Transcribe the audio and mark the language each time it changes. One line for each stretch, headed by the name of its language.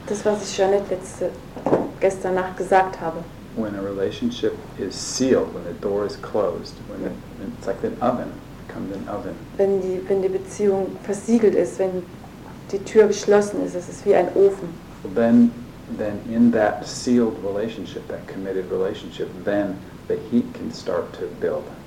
German: Das, was ich Jeanette gestern Nacht gesagt habe.
English: When a relationship is sealed, when the door is closed, when it's like an oven, becomes an oven.
German: Wenn die Beziehung versiegelt ist, wenn die Tür geschlossen ist, es ist wie ein Ofen.
English: Then in that sealed relationship, that committed relationship, then the heat can start to build.